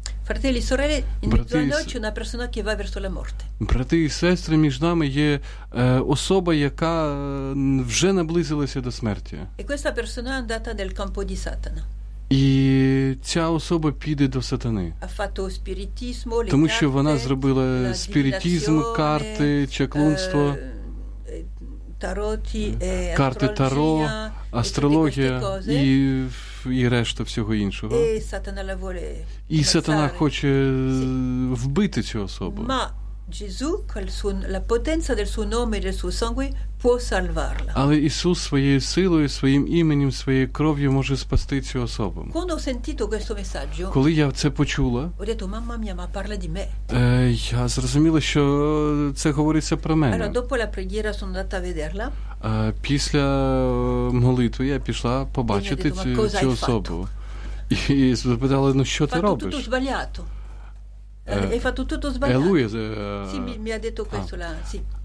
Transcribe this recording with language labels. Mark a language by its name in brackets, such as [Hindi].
[Italian] Fratelli e sorelle, in mezzo alla notte una persona che va verso la morte. [Ukrainian] Брати і сестри, між нами є особа, яка вже наблизилася до смерті. [Italian] E questa persona è andata nel campo di Satana. [Ukrainian] І ця особа піде до сатани. [Italian] Ha fatto spiritismo, le [Ukrainian] тому що вона зробила спіритизм, карти, чаклунство, тароти, карти таро, астрологія і решта всього іншого. [Italian] E Satana la vuole. [Ukrainian] І сатана хоче вбити цю особу. [Italian] Ma Gesù col suo la potenza del suo nome e del suo sangue può salvarla. [Ukrainian] Але Ісус своєю силою, своїм іменем, своєю кров'ю може спасти цю особу. [Italian] Quando ho sentito questo messaggio, [Ukrainian] коли я це почула, [Italian] ho detto, mamma mia, ma parla di me. [Ukrainian] Я зрозуміла, що це говориться про мене. [Italian] Allora, dopo la preghiera sono andata a vederla. [Ukrainian] Після молитви я пішла побачити цю особу. І запитала, ну що ти робиш? [Italian] Tutto sbagliato. Hai fatto tutto sbagliato. Lui, sì, mi ha detto questo là, sì.